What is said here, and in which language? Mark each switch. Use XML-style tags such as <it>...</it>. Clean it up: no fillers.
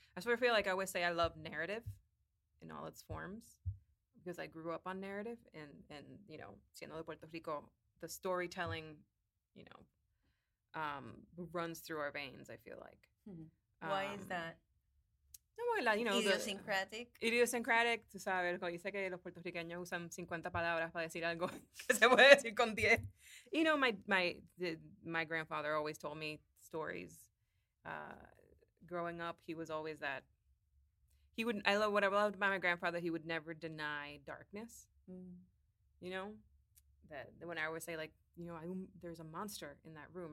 <en>I sort of feel like I always say I love narrative. In all its forms, because I grew up on narrative and you know,</en> <es>Siendo de Puerto Rico,</es> <en>the storytelling, you know, runs through our veins, I feel like. Mm-hmm. Why is that? You know, idiosyncratic?</en> <es>Idiosyncratic, tú sabes, yo sé que los puertorriqueños usan 50 palabras para decir algo que se puede decir con 10.</es> <en>You know, my grandfather always told me stories. Growing up, he was always that. What I loved about my grandfather, he would never deny darkness. Mm. You know? That when I would say, like, you know, there's a monster in that room.</en>